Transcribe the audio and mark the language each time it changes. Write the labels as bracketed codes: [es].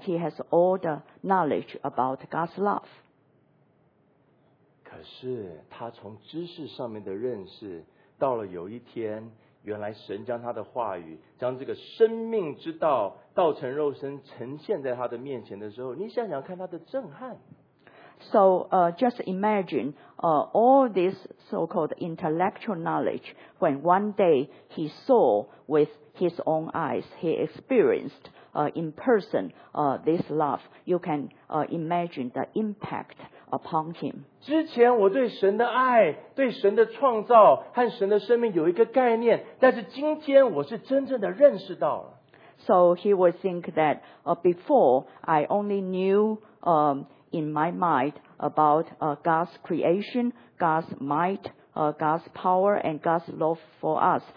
[en] He has all the knowledge about God's love. [zh] 可是他从知识上面的认识，到了有一天，原来神将他的话语，将这个生命之道，道成肉身，呈现在他的面前的时候，你想想看他的震撼。 [en] So, just imagine, all this so-called intellectual knowledge, when one day he saw with his own eyes, he experienced, in person, this love. You can, imagine the impact. Upon him. [zh] 之前我对神的爱，对神的创造和神的生命有一个概念，但是今天我是真正的认识到了。 [en] So he would think that before I only knew in my mind about God's creation, God's might, God's power, and God's love for us.